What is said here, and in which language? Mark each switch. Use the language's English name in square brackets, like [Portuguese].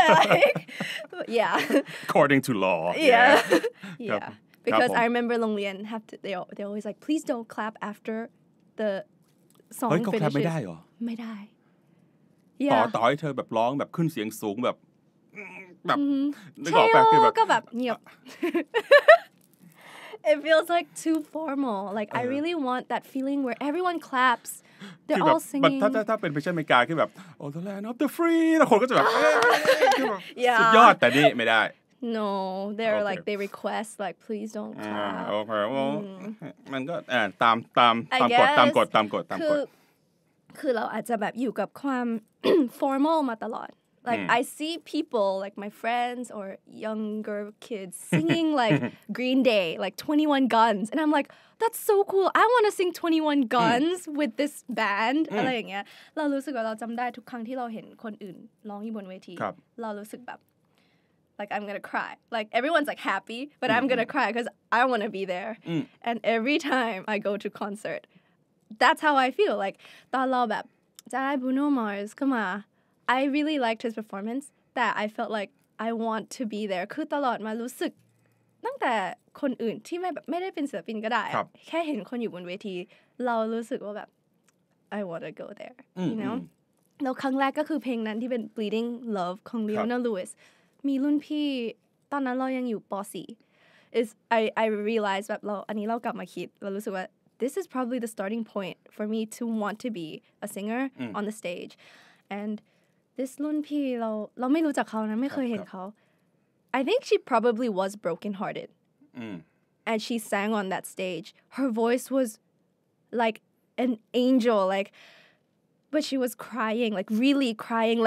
[English] like, yeah according to law yeah because I remember โรงเรียน have to they always like please don't clap after the song finishes [Thai] เฮ้ยก็ clap ไม่ได้หรอ ไม่ได้ yeah ต่อให้เธอแบบร้องแบบขึ้นเสียงสูงแบบ ใช่แล้วก็แบบเงียบ [English] it feels like too formal like I really want that feeling where everyone clapsThey're all singing. But if it's version America, it's like, oh, the land of the free. The people are like, yeah. [Thai] สุดยอด แต่นี่ไม่ได้ [English] No, they're okay. like, they request, like, please don't clap. Okay, well, [Thai] มันก็ตามกฎ คือ คือเราอาจจะแบบอยู่กับความ formal มาตลอด [English] like I see people like my friends or younger kids singing like Green Day like 21 Guns and I'm like that's so cool I want to sing 21 Guns with this band [Thai] อะไรอย่างเงี้ยเรารู้สึกว่าเราจำได้ทุกครั้งที่เราเห็นคนอื่นร้องอยู่บนเวทีเรารู้สึกแบบ [English] Like, I'm gonna cry. Like, everyone's, like, happy, but I'm gonna cry because I want to be there. And every time I go to concert, that's how I feel. Like, when I was like, Bruno Mars, come on. I really liked his performance that I felt like I want to be there. [Thai] คือตลอดมารู้สึกตั้งแต่คนอื่นที่ไม่ได้เป็นศิลปินก็ได้แค่เห็นคนอยู่บนเวทีเรารู้สึกว่าแบบ [English] I want to go there, you know? [Thai] แล้วครั้งแรกก็คือเพลงนั้นที่เป็น Bleeding Love ของ Leona Lewis. มีรุ่นพี่ตอนนั้นเรายังอยู่ป.4 [English] is I realized [Thai] แบบเราอันนี้เรากลับมาคิดเรารู้สึกว่า [English] this is probably the starting point for me to want to be a singer on the stage and this [Thai] รุ่นพี่เราไม่รู้จักเขานะไม่เคยเห็นเขา [English] I think she probably was broken hearted and she sang on that stage her voice was like an angel likeBut she was crying, like really crying.